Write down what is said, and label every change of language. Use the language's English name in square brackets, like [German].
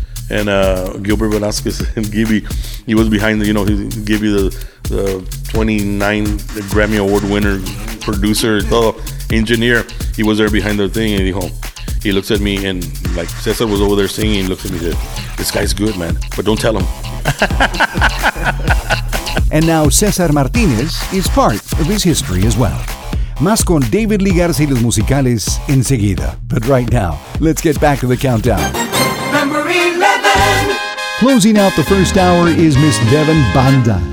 [English] And Gilbert Velasquez and Gibby, he was behind, you know, Gibby, the 29 Grammy Award winner, producer, engineer. He was there behind the thing, and he looks at me, and like César was over there singing, he looks at me and said, this guy's good, man, but don't tell him. And now César Martínez is part of his history as well. [Spanish] Más con David Ligarce y Los Musicales enseguida. [English] But right now, let's get back to the countdown. Number 11. Closing out the first hour is Miss Devon Banda.